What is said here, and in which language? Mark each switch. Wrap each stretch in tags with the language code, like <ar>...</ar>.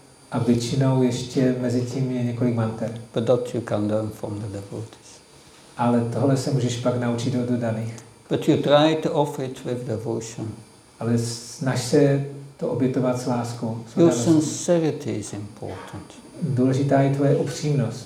<cs>A většinou ještě mezi tím je několik mantr.</cs> <en>But that you can learn from the devotees.</en> <cs>Ale tohle se můžeš pak naučit od dodaných.</cs> <en>But you try to offer it with devotion.</en> <cs>Ale snaž se to obětovat s láskou.</cs> <en>Your sincerity is important.</en> <cs>Důležitá je tvoje upřímnost.</cs>